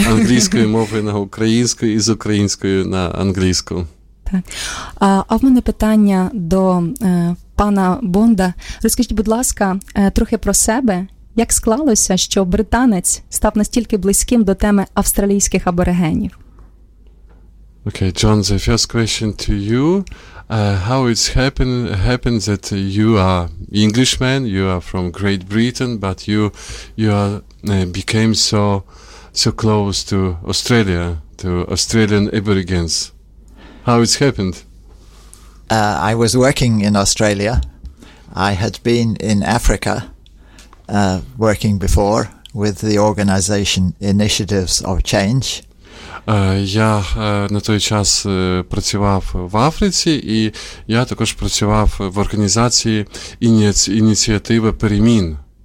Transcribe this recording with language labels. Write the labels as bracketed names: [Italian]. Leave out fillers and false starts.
[Ukrainian] З англійської мови на українську і з української на англійську. Так. А в мене питання до пана Бонда. Розкажіть, будь ласка, трохи про себе. Як склалося, що британець став настільки близьким до теми австралійських аборигенів? [English] Okay, John, the first question to you. How it's happened that you are Englishman, you are from Great Britain, but you became so close to Australia, to Australian Aborigines. How it's happened? I was working in Australia. I had been in Africa working before with the organization Initiatives of Change. [Ukrainian] Я на той час працював в Африці, і я також працював в організації ініціатива перемін.